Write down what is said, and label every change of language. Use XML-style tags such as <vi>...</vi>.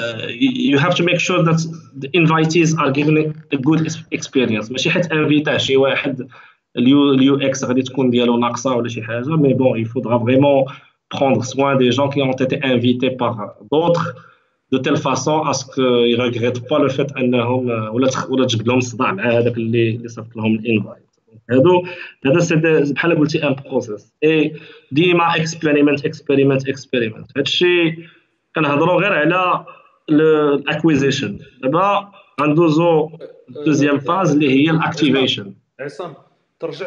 <en>Et you have to make sure that the invitees are given a good experience.</en> <fr>Mais si tu invites quelqu'un, il y a un UX qui va être un peu. Mais bon, il faudra vraiment prendre soin des gens qui ont été invités par d'autres. De telle façon à ce qu'ils ne regrettent pas le fait qu'ils ont eu l'invite.</fr> <ar>هذا سي بحال قلتي ان بروسيس اي ديما اكسبيريمنت اكسبيريمنت اكسبيريمنت. هادشي كنهضروا غير على الاكويزيشن. دابا غندوزو دوزيام فاز اللي هي عصام الاكتيفيشن. عصام ترجع</ar>